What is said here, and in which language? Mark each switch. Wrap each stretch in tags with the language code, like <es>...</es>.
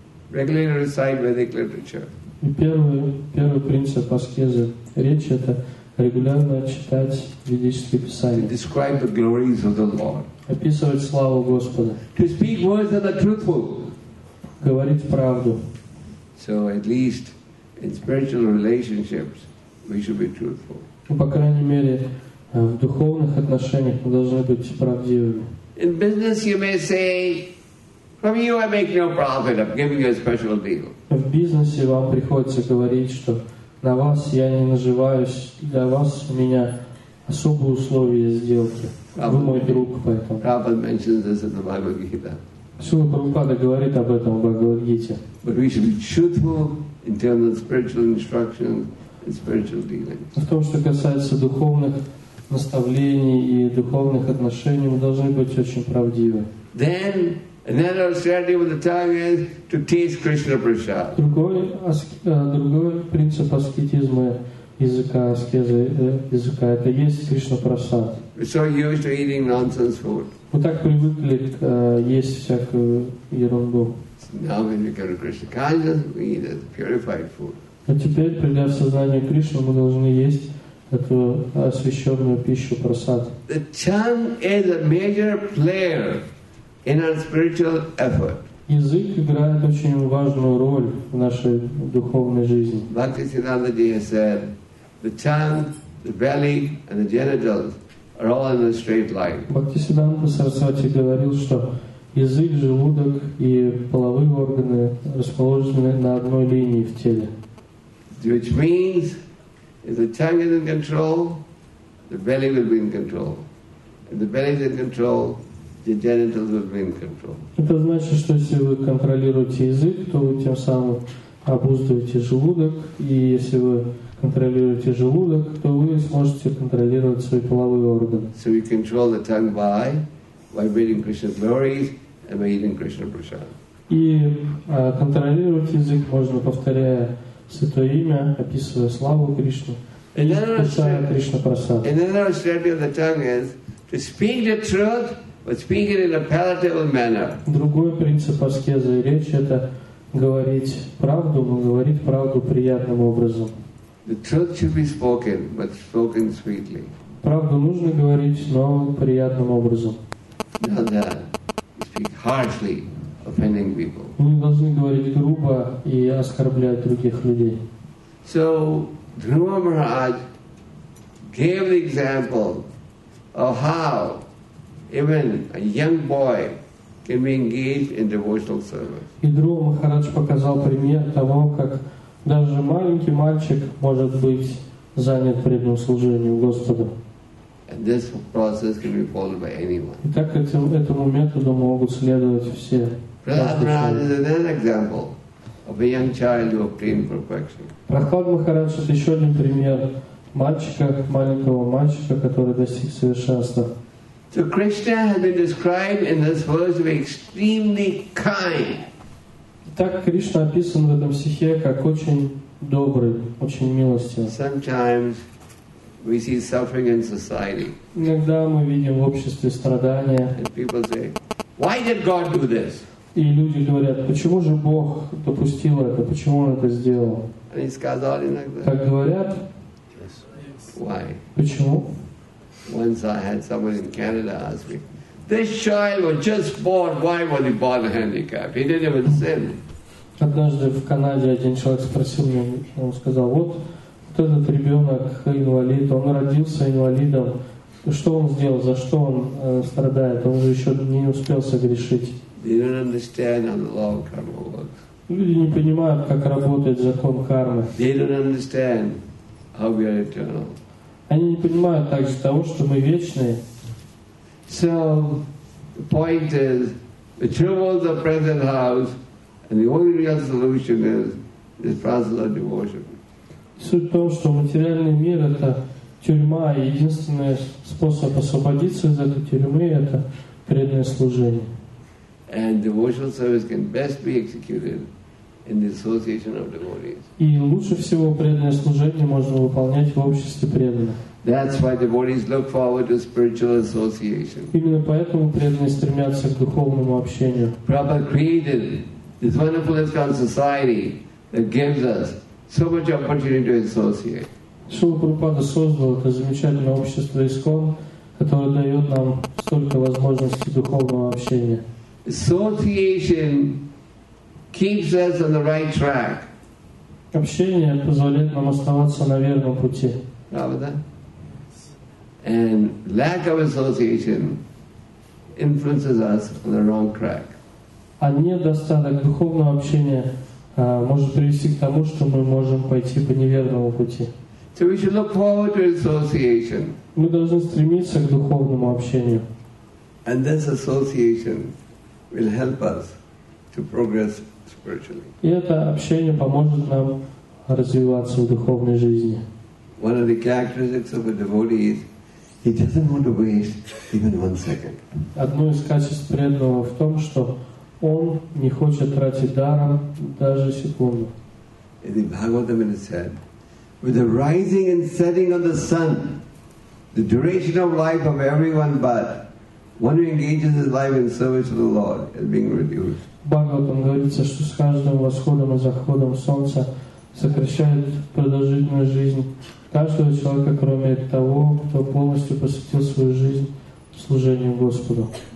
<ru>И первый принцип аскезы речи – это регулярно читать ведические писания.</ru> <en>To describe the glories of the Lord.</en> <ru>Описывать славу Господа.</ru> <en>To speak words that are truthful.</en> <ru>Говорить правду.</ru> <en>So at least in spiritual relationships we should be truthful.</en> <ru>По крайней мере, в духовных отношениях мы должны быть правдивыми.</ru> <en>In business you may say, from you I make no profit, I'm giving you a special deal.</en> <ru>В бизнесе вам приходится говорить, что на вас я не наживаюсь, для вас у меня особые условия сделки. Вы мой друг, поэтому.</ru> <en>Prabhupada mentions this in the Bhagavad Gita.</en> <ru>Сила Прабхупада говорит об этом в Бхагавад Гите.</ru> <en>But we should be truthful in terms of spiritual instruction and spiritual dealings.</en> <ru>В том, что касается духовных наставлений и духовных отношений, мы должны быть очень правдивы.</ru> <en>Then another austerity with the tongue is to taste Krishna prasad.</en> <ru>Другой принцип аскетизма языка, аскезы языка, это есть Кришна прасад.</ru> <en>We're so used to eating nonsense food.</en> <ru>Мы так привыкли есть всякую ерунду.</ru> <en>Now when we go to Krishna consciousness, we eat this purified food.</en> <ru>Но теперь, придя в сознание Кришны, мы должны есть эту освященную пищу прасад.</ru> <en>The tongue is a major player in our spiritual effort.</en> <ru>Язык играет очень важную роль в нашей духовной жизни.</ru> <en>Bhaktisiddhanta ji has said, the tongue, the belly, and the genitals are all in a straight line.</en> <ru>Bhaktisiddhanta Sarasvati говорил, что язык, желудок и половые органы расположены на одной линии в теле.</ru> <en>Which means, if the tongue is in control, the belly will be in control. If the belly is in control, the genitals will be in control.</en> <ru>Это значит, что если вы контролируете язык, то вы тем самым обуздываете желудок, и если вы контролируете желудок, то вы сможете контролировать свои половые органы.</ru> <en>So we control the tongue by vibrating Krishna's glories and by eating Krishna prasad.</en> <ru>И контролировать язык можно, повторяя Святое Имя, описывая славу Кришну, исключая Кришна Прасад.</ru> <en>And another austerity of the tongue is to speak the truth, but speak it in a palatable manner.</en> <ru>Другой принцип аскезы речи – это говорить правду, но говорить правду приятным образом.</ru> <en>The truth should be spoken, but spoken sweetly.</en> <ru>Правду нужно говорить, но приятным образом.</ru> <en>Not that. Speak harshly. Offending people.</en> <ru>Мы должны говорить грубо и оскорблять других людей.</ru> <en>So Dhruva Maharaj gave the example of how even a young boy can be engaged in devotional service.</en> <ru>И Дхрува Махарадж показал пример того, как даже маленький мальчик может быть занят преданным служением Господу.</ru> <en>And this process can be followed by anyone.</en> <ru>И так этому методу могут следовать все.</ru> <en>Prahlad Maharaj is another example of a young child who obtained perfection.</en> <ru>Prahlad Maharaj</ru> <en>is</en> <ru>еще один пример мальчика, маленького мальчика, который достиг совершенства.</ru> <en>So Krishna has been described in this verse to be extremely kind.</en> <ru>Так Кришна описан в этом стихе как очень добрый, очень милостивый.</ru> <en>Sometimes we see suffering in society.</en> <ru>Иногда мы видим в обществе страдания.</ru> <en>And people say, why did God do this?</en> <ru>И люди говорят, почему же Бог допустил это, почему Он это сделал? Они сказали иногда. Так говорят.</ru> <en>Why?</en> <ru>Почему?</ru> <en>Once I had someone in Canada ask me, this child was just born, why would he bother handicap? He didn't even sin.</en> <ru>Однажды в Канаде один человек спросил меня, он сказал, вот этот ребенок инвалид, он родился инвалидом, что он сделал, за что он страдает, он же еще не успел согрешить.</ru> <en>They don't understand how the law of karma works.</en> <ru>Люди не понимают, как работает закон кармы.</ru> <en>They don't understand how we are eternal.</en> <ru>Они не понимают также того, что мы вечные.</ru> <en>So, the point is, the troubles of present house, and the only real solution is this process of devotion.</en> <ru>Суть в том, что материальный мир — это тюрьма, и единственный способ освободиться из этой тюрьмы — это преданное служение.</ru> <en>And devotional service can best be executed in the association of devotees.</en> <ru>И лучше всего преданное служение можно выполнять в обществе преданных.</ru> <en>That's why devotees look forward to spiritual association.</en> <ru>Именно поэтому преданные стремятся к духовному общению.</ru> <en>Prabhupada created this wonderful ISKCON society that gives us so much opportunity to associate.</en> <ru>Шрила Прабхупада создал это замечательное общество ИСКОН, которое дает нам столько возможностей духовного общения.</ru> <en>Association keeps us on the right track.</en> <ru>Общение позволяет нам оставаться на верном пути. Правда?</ru> <en>And lack of association influences us on the wrong track.</en> <ru>А недостаток духовного общения может привести к тому, что мы можем пойти по неверному пути.</ru> <en>So we should look forward to association.</en> <ru>Мы должны стремиться к духовному общению.</ru> <en>And this association will help us to progress spiritually.</en> <ru>И это общение поможет нам развиваться в духовной жизни.</ru> <en>One of the characteristics of a devotee is he doesn't want to waste even one second.</en> <ru>Одно из качеств преданного в том, что он не хочет тратить даром даже секунду.</ru> <en>In the Bhagavatam it is said, with the rising and setting of the sun, the duration of life of everyone but one who engages his life in service to the Lord is being reduced.</en> <ru>Бхагаватам говорится, что с каждым восходом и заходом солнца сокращает продолжительность жизни. Каждого человека, кроме того, кто полностью посвятил свою жизнь служению Господу.</ru>